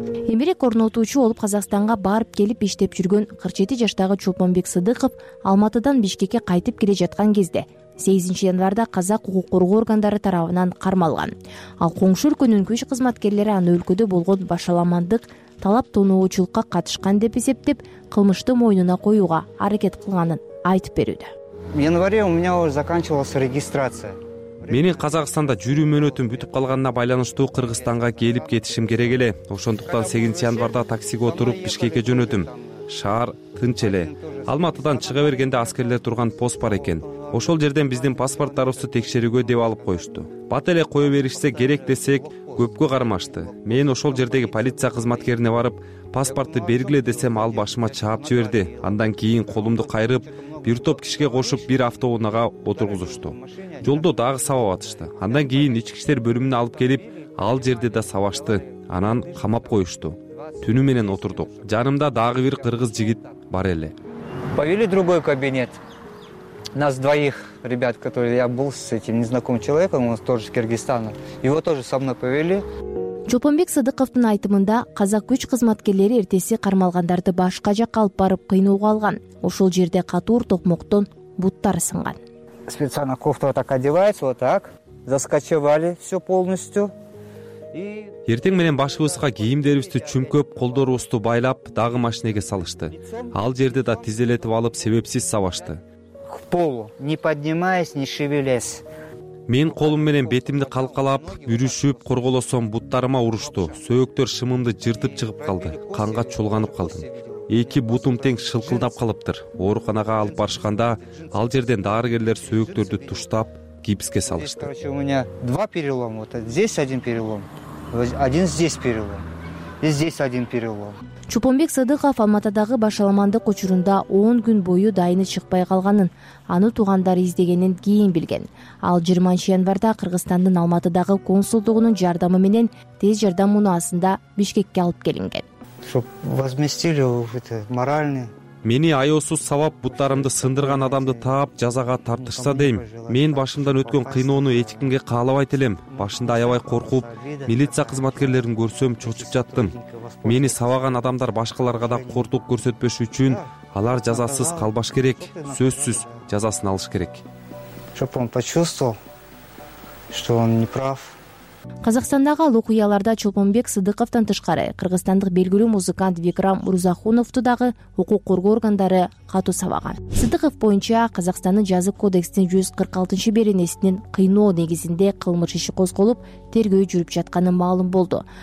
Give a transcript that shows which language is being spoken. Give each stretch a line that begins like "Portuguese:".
Kyrgyz: Эмерек орнотуучу болуп Казакстанга барып келип иштеп жүргөн 47 жаштагы Чолпонбек Сыдыков Алматыдан Бишкекке кайтып келе жаткан кезде 8 январда казак укук коргоо органдары тарабынан кармалган. Ал коңшу өлкөнүн күч кызматкерлери аны өлкөдө болгон башаламандык талап тонуучулукка катышкан деп эсептеп, кылмышты мойнуна коюуга аракет кылганын айтып берүүдө.
Russian: В январе у меня уже заканчивалась регистрация.
Kyrgyz: Менин Казакстанда жүрүү мөөнөтүм бүтүп калганына байланыштуу Кыргызстанга келип кетишим керек эле. Ошондуктан 8 январда таксиге отуруп Бишкекке жөнөдүм. Шаар тынч эле. Алматыдан чыга бергенде аскерлер турган пост бар экен. Ошол жерден биздин паспорттарыбызды текшерүүгө деп алып коюшту. Бат эле кое беришсе керек десек, көпкө кармашты. Мен ошол жердеги полиция кызматкерине барып, паспортту бергиле десем, ал башыма чаап жиберди. Андан кийин колумду кайрып, бир топ кишиге кошуп, бир автоунага отургузушту. Жолдо дагы сабап атышты. Андан кийин ички иштер бөлүмүнө алып келип, ал жерде да сабашты. Анан камап коюшту. Түнү менен отурдук. Жанымда дагы бир кыргыз жигит бар эле.
Russian: Повели другой кабинет. Нас двоих ребят, которые я был с этим незнакомым человеком, он тоже из Кыргызстана. Его тоже со мной повели.
Kyrgyz: Чолпонбек Сыдыковтун айтымында казак күч кызматкерлери эртеси кармалгандарды башка жакка алып барып кыйноого алган. Ошол жерде катуур токмоктон буттары сынган.
Russian: Специально кофта так одевается, вот так. Заскочивали все полностью.
Kyrgyz: Эртең менен башыбызга кийимдерибизди чүмкөп, колдорубузду байлап, дагы машинеге салышты. Ал жерде да тизелетип алып, себепсиз сабашты.
Russian: К полу, не поднимаясь, не шевелясь.
Kyrgyz: Мен колум менен бетимди калкалап, бүрүшүп, корголосом буттарыма урушту. Сөөктөр шымымды жыртып чыгып калды. Канга чолганып калдым. Эки бутум тең шылкылдап калыптыр. Ооруканага алып барышканда, ал жерден дарыгерлер сөөктөрдү туштап, гипске салышты.
Russian: Короче, у меня два перелома. Вот здесь один перелом. Один здесь перелом. И здесь один перелом.
Kyrgyz: Чупонбек Садыков Алматыдагы башаламандык учурунда 10 күн бою дайыны чыкпай калганын, аны туугандары издегенин кийин билген. Ал 20-январда Кыргызстандын Алматыдагы консулдугунун жардамы менен тез жардам унаасында Бишкекке алып келинген.
Russian: Чтоб возместили это моральный.
Kyrgyz: Мени аёсуз сабап буттарымды сындырган адамды таап жазага тартышса дейм. Мен башымдан өткөн кыйноону эч кимге каалабайт элем. Башында аябай коркуп, милиция кызматкерлерин көрсөм чочуп жаттым. Мени сабаган адамдар башкаларга да кортук көрсөтпөш үчүн алар жазасыз калбаш керек, сөзсүз жазасын алыш керек.
Russian: Чтоб он почувствовал, что он не прав.
Kyrgyz: Казакстандагы ал окуяларда Чолпонбек Сыдыковтон тышкары кыргызстандык белгилүү музыкант Викрам Рузахуновду дагы укук коргоо органдары катуу сабаган. Сыдыков боюнча Казакстандын Жазык кодекстин 146 беренесинин кыйноо негизинде кылмыш иши козголуп, тергөө жүрүп жатканы маалым болду.